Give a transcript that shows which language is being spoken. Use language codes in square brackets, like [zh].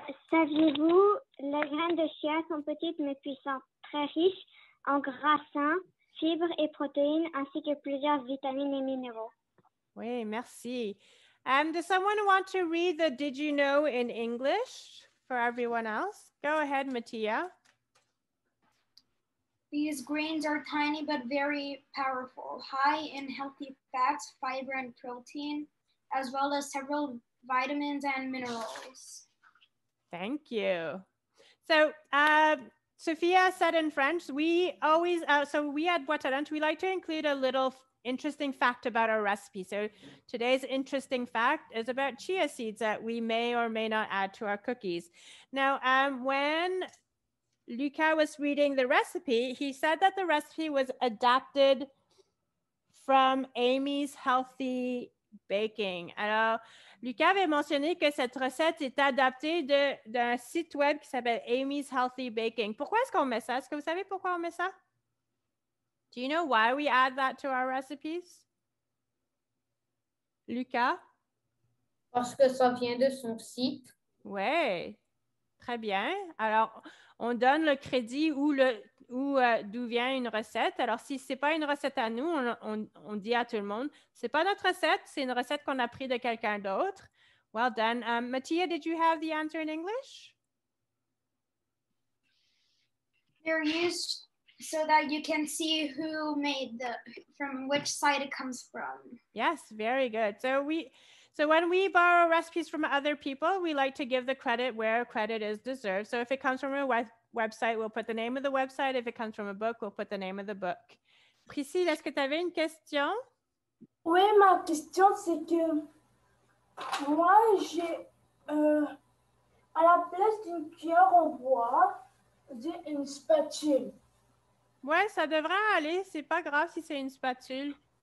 [fr] Saviez-vous, les graines de chia sont petites mais puissantes, très riches en gras sains, fibres et protéines, ainsi que plusieurs vitamines et minéraux. Oui, merci. [en] Does someone want to read the Did You Know in English for everyone else? Go ahead, Mattia. These grains are tiny but very powerful, high in healthy fats, fiber, and protein, as well as several vitamins and minerals. Thank you. So, Sophia said in French, we always, at Boîte à Lunch, we like to include a little interesting fact about our recipe. So today's interesting fact is about chia seeds that we may or may not add to our cookies. Now, when Lucas was reading the recipe, he said that the recipe was adapted from Amy's Healthy Baking. [fr] Alors, Lucas avait mentionné que cette recette est adaptée d'un site web qui s'appelle Amy's Healthy Baking. Pourquoi est-ce qu'on met ça? Est-ce que vous savez pourquoi on met ça? Do you know why we add that to our recipes? Lucas? Parce que ça vient de son site. Oui, très bien. Alors, on donne le crédit d'où vient une recette. Alors, si ce n'est pas une recette à nous, on dit à tout le monde, ce n'est pas notre recette, c'est une recette qu'on a prise de quelqu'un d'autre. [en] Well done. Mattia, did you have the answer in English? They're used so that you can see who made from which site it comes from. Yes, very good. So when we borrow recipes from other people, we like to give the credit where credit is deserved. So if it comes from a website, we'll put the name of the website. If it comes from a book, we'll put the name of the book. [fr] Priscille, est-ce que tu avais une question? Oui, ma question, c'est que moi, j'ai, à la place d'une cuillère en bois, j'ai une spatule. Ouais, ça devrait aller. C'est pas grave si c'est une spatule.